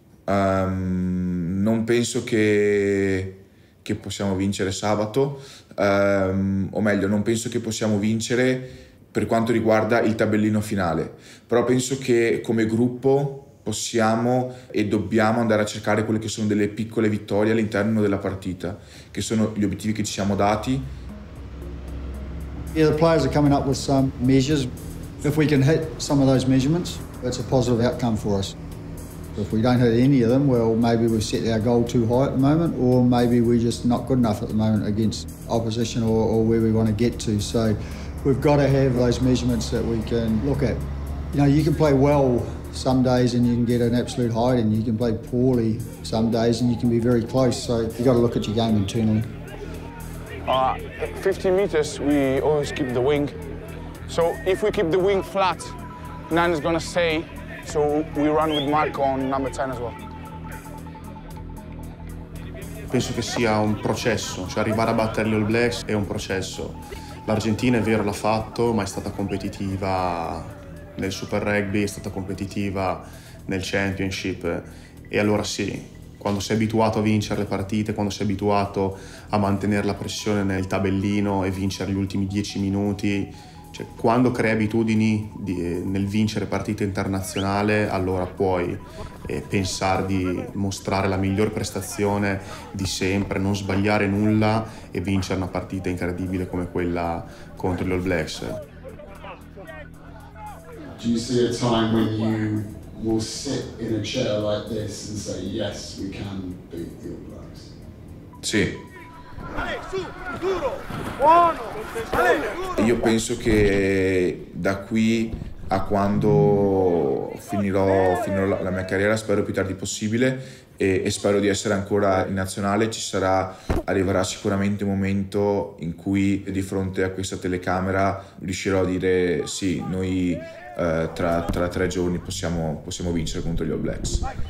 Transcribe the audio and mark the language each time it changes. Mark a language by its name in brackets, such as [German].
[Italian] Non penso che possiamo vincere sabato, o meglio, non penso che possiamo vincere per quanto riguarda il tabellino finale, però penso che come gruppo possiamo e dobbiamo andare a cercare quelle che sono delle piccole vittorie all'interno della partita, che sono gli obiettivi che ci siamo dati. [English] Yeah, the players are coming up with some measures. If we can hit some of those measurements, that's a positive outcome for us. If we don't hit any of them, well, maybe we've set our goal too high at the moment, or maybe we're just not good enough at the moment against opposition or where we want to get to. So we've got to have those measurements that we can look at. You know, you can play well some days and you can get an absolute hide, and you can play poorly some days and you can be very close. So you've got to look at your game internally. At 15 metres, we always keep the wing. So if we keep the wing flat, Nan is going to stay. So we run with Mark on number 10 as well. [Italian] Penso che sia un processo, cioè arrivare a battere gli All Blacks è un processo. L'Argentina è vero l'ha fatto, ma è stata competitiva nel Super Rugby, è stata competitiva nel Championship. E allora sì, quando sei abituato a vincere le partite, quando sei abituato a mantenere la pressione nel tabellino e vincere gli ultimi 10 minuti, cioè, quando crei abitudini nel vincere partite internazionali, allora puoi pensare di mostrare la miglior prestazione di sempre, non sbagliare nulla e vincere una partita incredibile come quella contro gli All Blacks. [English] Do you see a time when you will sit in a chair like this and say, yes, we can beat the All Blacks? [Italian] Sì. Io penso che da qui a quando finirò la mia carriera, spero più tardi possibile e spero di essere ancora in nazionale, arriverà sicuramente un momento in cui di fronte a questa telecamera riuscirò a dire sì, noi tra 3 giorni possiamo vincere contro gli All Blacks.